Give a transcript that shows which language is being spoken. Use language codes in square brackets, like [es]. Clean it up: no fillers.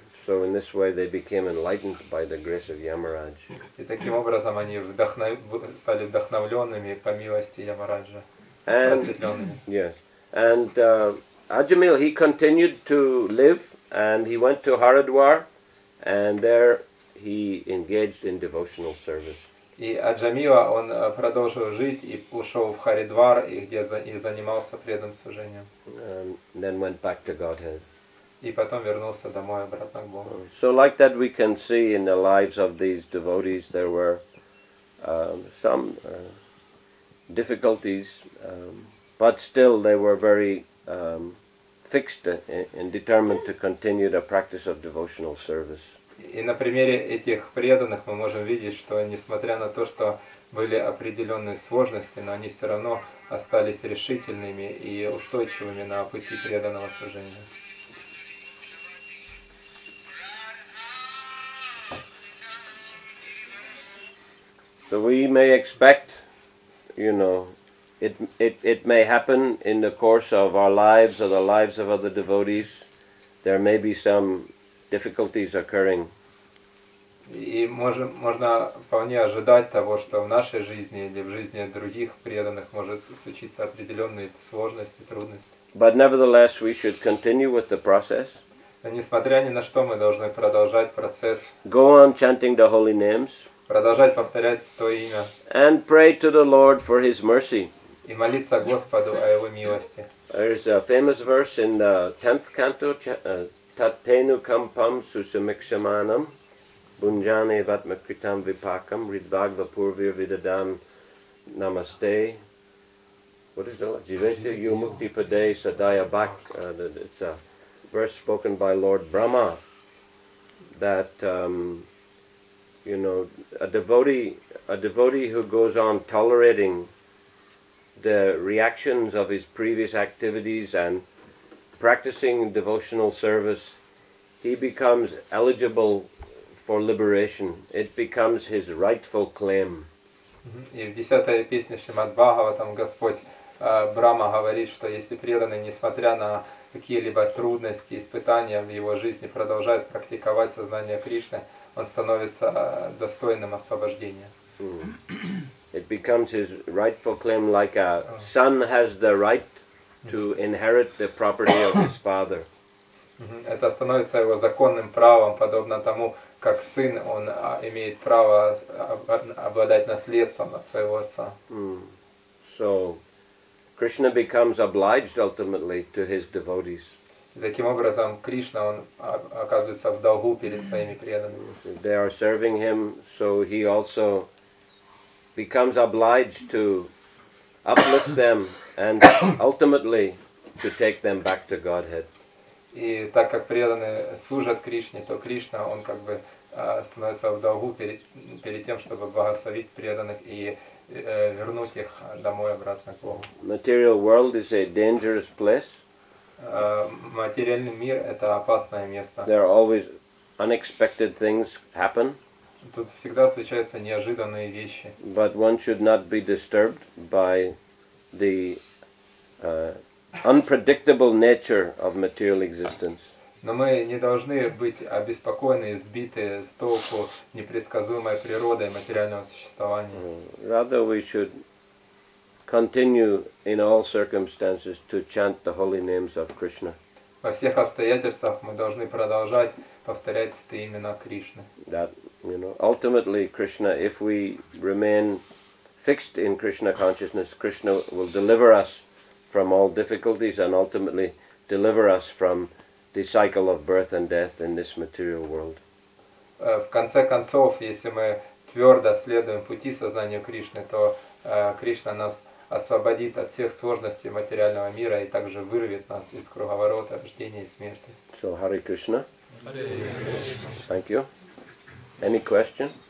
[en] So in this way they became enlightened by the grace of Yamaraj. [ru] И таким образом они стали вдохновленными по милости Ямараджа. [en] Yes. And Ajamil, he continued to live and he went to Haridwar and there he engaged in devotional service. [ru] И Аджамила он продолжил жить и ушел в Харидвар, и занимался преданным служением. [en] And then went back to Godhead. [ru] И потом вернулся домой обратно к Богу. [en] So like that we can see in the lives of these devotees there were some difficulties, but still they were very fixed and determined to continue the practice of devotional service. [ru] И на примере этих преданных мы можем видеть, что несмотря на то, что были определенные сложности, но они все равно остались решительными и устойчивыми на пути преданного служения. [en] So we may expect, you know, it may happen in the course of our lives or the lives of other devotees, there may be some difficulties occurring. [ru] И можно вполне ожидать того, что в нашей жизни или в жизни других преданных может случиться определенные сложности, трудности. [en] But nevertheless, we should continue with the process. [ru] Но несмотря ни на что, мы должны продолжать процесс. [en] Go on chanting the holy names. [ru] Продолжать повторять то имя. [en] And pray to the Lord for His mercy. [ru] И молиться Господу о Его милости. [en] There is a famous verse in the 10th canto, [sa] Tattenu kampam susumikshamanam, bunjane vatmakritam vipakam, ridvagva purvir vidadam namaste. [en] What is that? [sa] Jivete yumukti pade sadaya bak. [en] It's a verse spoken by Lord Brahma that... you know, a devotee who goes on tolerating the reactions of his previous activities and practicing devotional service, he becomes eligible for liberation. It becomes his rightful claim. [ru] И в 10-й песне Шримад-Бхагаватам Господь Брама говорит, что если преданный, несмотря на какие-либо трудности, испытания в его жизни, продолжает практиковать сознание Кришны, он становится достойным освобождения. [en] It becomes his rightful claim, like a son has the right to inherit the property of his father. [ru] Это становится его законным правом, подобно тому, как сын, он имеет право обладать наследством от своего отца. [en] So, Krishna becomes obliged ultimately to his devotees. [ru] Таким образом, Кришна, он оказывается в долгу перед своими преданными. [en] They are serving him, so he also becomes obliged to uplift them and ultimately to take them back to Godhead. [ru] И так как преданные служат Кришне, то Кришна, он как бы становится в долгу перед тем, чтобы благословить преданных и вернуть их домой обратно к Богу. [en] Material world is a dangerous place. [ru] Материальный мир – это опасное место. [en] There are always unexpected things happen. [ru] Тут всегда случаются неожиданные вещи. [en] But one should not be disturbed by the unpredictable nature of material existence. [ru] Но мы не должны быть обеспокоены, сбиты с толку непредсказуемой природой материального существования. [en] Rather we should continue in all circumstances to chant the holy names of Krishna. [ru] Во всех обстоятельствах мы должны продолжать повторять святые имена Кришны. [en] That, you know, ultimately Krishna, if we remain fixed in Krishna consciousness, Krishna will deliver us from all difficulties and ultimately deliver us from the cycle of birth and death in this material world. [ru] В конце концов, если мы твердо следуем пути сознанию Кришны, то Кришна нас освободит от всех сложностей материального мира и также вырвет нас из круговорота рождения и смерти. [en] So, Hare Krishna. Hare. Thank you. Any question?